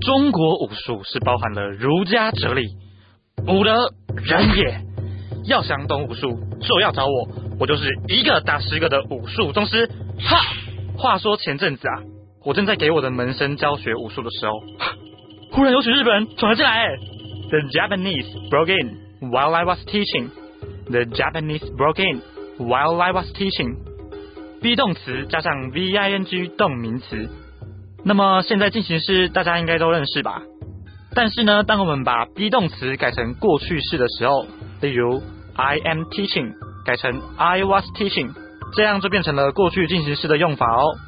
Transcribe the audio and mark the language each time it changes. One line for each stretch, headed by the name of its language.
Chinese: 中国武术是包含了儒家哲理，武的人也。要想懂武术，就要找我，我就是一个打十个的武术宗师。哈，话说前阵子啊，我正在给我的门生教学武术的时候，忽然有群日本人闯了进来。
English: The Japanese broke in while I was teaching. The Japanese broke in while I was teaching.
Chinese: Be 动词加上 ving 动名词。那么现在进行式大家应该都认识吧？但是呢，当我们把 be 动词改成过去式的时候，例如
English: I am teaching
Chinese: 改成
English: I was teaching，
Chinese: 这样就变成了过去进行式的用法哦。